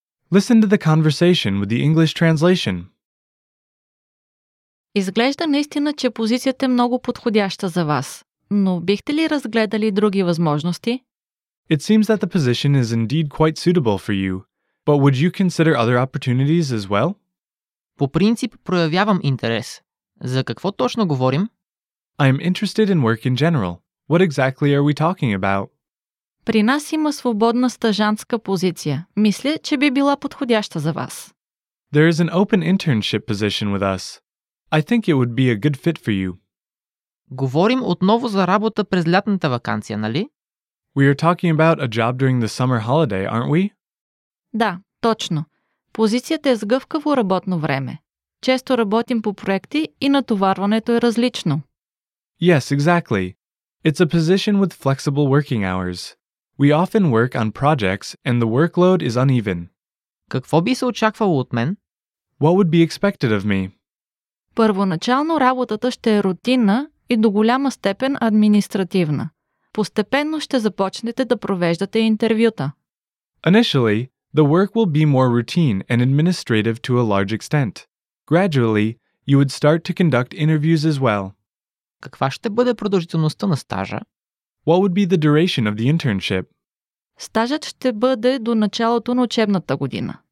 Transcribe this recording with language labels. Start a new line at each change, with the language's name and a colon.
English: Listen to the conversation with the English translation.
Bulgarian: Изглежда наистина, че позицията е много подходяща за вас, но бихте ли разгледали други възможности?
English: It seems that the position is indeed quite suitable for you, but would you consider other opportunities as well?
Bulgarian: По принцип проявявам интерес. За какво точно говорим?
English: I am interested in work in general. What exactly are we talking about?
Bulgarian: При нас има свободна стажантска позиция. Мисля, че би била подходяща за вас.
English: There is an open internship position with us. I think it would be a good fit for you.
Bulgarian: Говорим отново за работа през лятната ваканция, нали?
English: We are talking about a job during the summer holiday, aren't we?
Bulgarian: Да, точно. Позицията е с гъвкаво работно време. Често работим по проекти и натоварването е различно.
English: Yes, exactly. It's a position with flexible working hours. We often work on projects and the workload is uneven.
Bulgarian: Какво би се очаквало от мен?
English: What would be expected of me?
Bulgarian: Първоначално работата ще е рутинна и до голяма степен административна. Постепенно ще започнете да провеждате интервюта.
English: Initially, the work will be more routine and administrative to a large extent. Gradually, you would start to conduct interviews as well.
Bulgarian: Каква ще бъде продължителността на стажа?
English: What would be the duration of the internship?
Bulgarian: Стажът ще бъде до началото на учебната година.